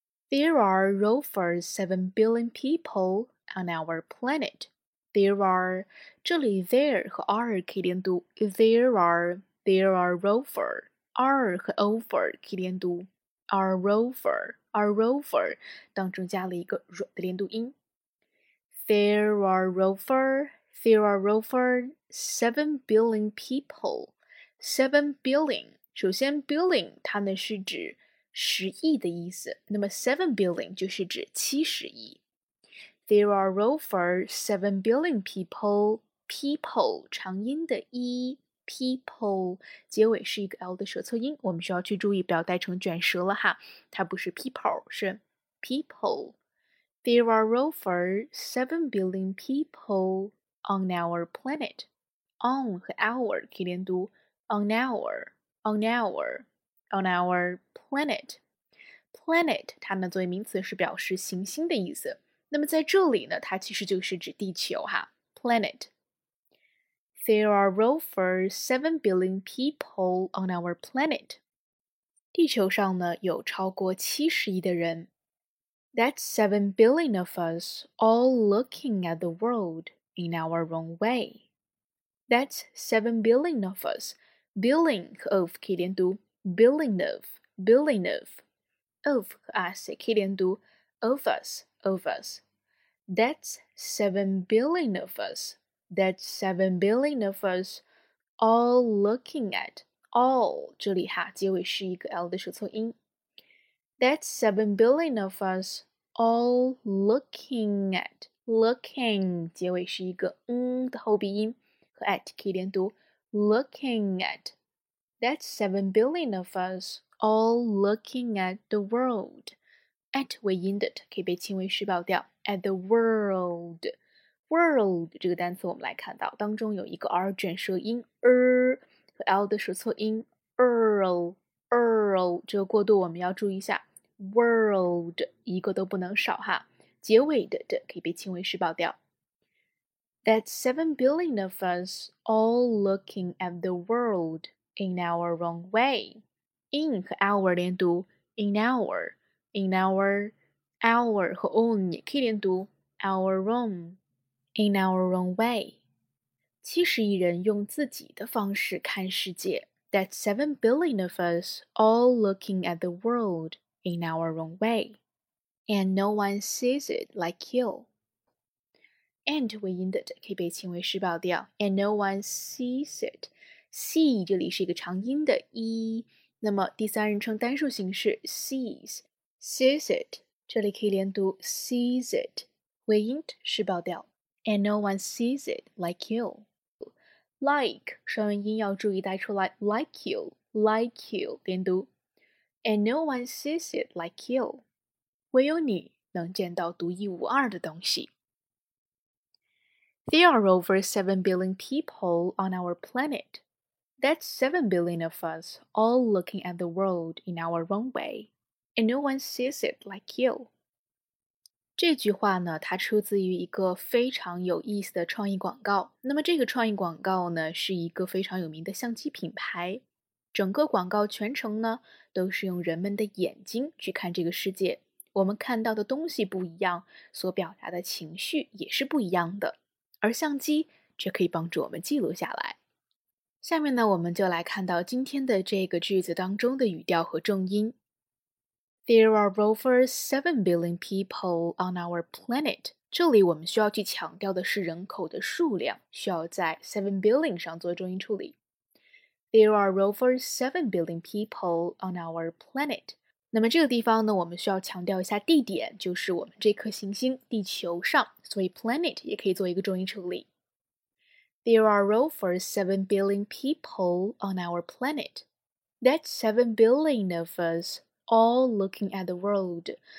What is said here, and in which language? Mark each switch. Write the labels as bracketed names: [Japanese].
[English] There are over 7 billion people on our planet. There are, [Chinese] 这里 there 和 are 可以连读 [English] there are over, are 和 over 可以连读 are over, [Chinese] 当中加了一个 r 的连读音 [English] there are over 7 billion people, 7 billion, [Chinese] 首先 billion 它呢是指十亿的意思，那么 seven billion 就是指七十亿。 [English] There are over 7 billion people. People [Chinese] 长音的 [English] e people [Chinese] 结尾是一个 l 的舌侧音，我们需要去注意不要带成卷舌了哈，它不是 people， 是 people. [English] There are over 7 billion people on our planet. [Chinese] On 和 our 可以连读 [English] on our on our on our. Planet, [Chinese] planet, 它呢作为名词是表示行星的意思。那么在这里呢，它其实就是指地球哈。 [English] Planet. There are over 7 billion people on our planet. [Chinese] 地球上呢有超过七十亿的人。 [English] That's 7 billion of us all looking at the world in our own way. That's 7 billion of us. Billion of [Chinese] 可以连读 billion of. [English] Billion of, [Chinese] of 和 us 可以连读 [English] of us, of us. That's 7 billion of us. That's 7 billion of us all looking at all. [Chinese] 这里哈，结尾是一个 L 的舌头音。 [English] That's 7 billion of us all looking at. [Chinese] Looking, 结尾是一个嗯的后鼻音。和 at 可以连读 [English] looking at. That's 7 billion of us. All looking at the world. [Chinese] At 为音的 t 可以被轻微失爆掉。 [English] At the world. World [Chinese] 这个单词我们来看到当中有一个 r 卷舌音 和 l 的舌错音 earl 这个过渡我们要注意一下。 [English] World [Chinese] 一个都不能少哈。结尾的 t 可以被轻微失爆掉。 [English] That's 7 billion of us all looking at the world in our wrong way. [Chinese] In 和 our 连读 [English] in our, [Chinese] our 和 own 也可以连读 [English] our own, in our own way. [Chinese] 七十亿人用自己的方式看世界。 [English] That's 7 billion of us all looking at the world in our own way. And no one sees it like you. And [Chinese] 为音的可以被轻微失爆掉。 [English] And no one sees it. See [Chinese] 这里是一个长音的 e. 那么第三人称单数形式 sees [English] it, [Chinese] 这里可以连读 sees it, 尾音失爆掉 [English] and no one sees it like you. [Chinese] Like, 双元音要注意带出来 like you, 连读 [English] and no one sees it like you. [Chinese] 唯有你能见到独一无二的东西。 [English] There are over 7 billion people on our planet. That's 7 billion of us all looking at the world in our wrong way, and no one sees it like you. [Chinese] 这句话呢，它出自于一个非常有意思的创意广告。那么这个创意广告呢，是一个非常有名的相机品牌。整个广告全程呢，都是用人们的眼睛去看这个世界。我们看到的东西不一样，所表达的情绪也是不一样的。而相机却可以帮助我们记录下来。下面呢，我们就来看到今天的这个句子当中的语调和重音。 [English] There are over 7 billion people on our planet. [Chinese] 这里我们需要去强调的是人口的数量，需要在 7 billion 上做重音处理。 [English] There are over 7 billion people on our planet. [Chinese] 那么这个地方呢，我们需要强调一下地点，就是我们这颗行星地球上，所以 planet 也可以做一个重音处理。 [English] There are over 7 billion people on our planet. That's 7 billion of us all looking at the world.